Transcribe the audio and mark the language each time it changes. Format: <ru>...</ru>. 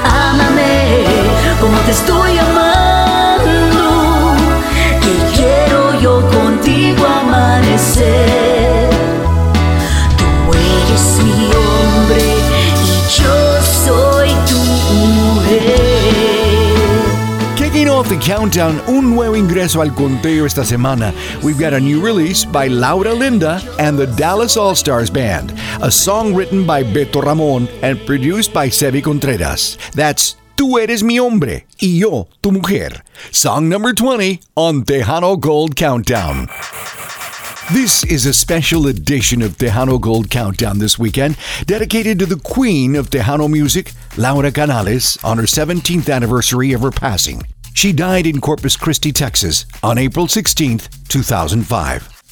<es>Ámame como te estoy amando. Que quiero yo contigo amanecer. Tú eres mi hombre y yo soy tu mujer.</es> <en>Kicking off the countdown,</en> <es>un nuevo ingreso al conteo esta semana.</es> <en>We've got a new release by Laura Linda and the Dallas All-Stars Band. A song written by Beto Ramon and produced by Sebi Contreras. That's Tú Eres Mi Hombre y Yo Tu Mujer. Song number 20 on Tejano Gold Countdown. This is a special edition of Tejano Gold Countdown this weekend, dedicated to the queen of Tejano music, Laura Canales, on her 17th anniversary of her passing. She died in Corpus Christi, Texas, on April 16, 2005.</en>